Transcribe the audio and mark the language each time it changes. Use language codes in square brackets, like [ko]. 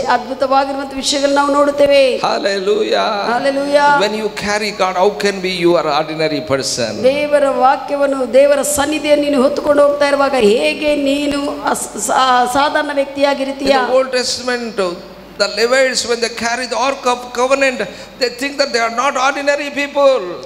[kn] ಅದ್ಭುತವಾಗಿರುವಂತ ವಿಷಯಗಳನ್ನು ನಾವು ನೋಡುತ್ತೇವೆ. [en] Hallelujah, hallelujah. When you carry God, how can be you are ordinary person? [kn] ದೇವರ ವಾಕ್ಯವನ್ನು, ದೇವರ ಸನ್ನಿಧಿಯನ್ನು ನೀನು ಹೊತ್ತುಕೊಂಡು ಹೋಗ್ತಾ ಇರುವಾಗ ಹೇಗೆ ನೀನು ಸಾಧಾರಣ ವ್ಯಕ್ತಿಯಾಗಿರುತ್ತೀಯ? [en] In the Old Testament, the Levites, when they carry the ark of covenant, they think that they are not ordinary people.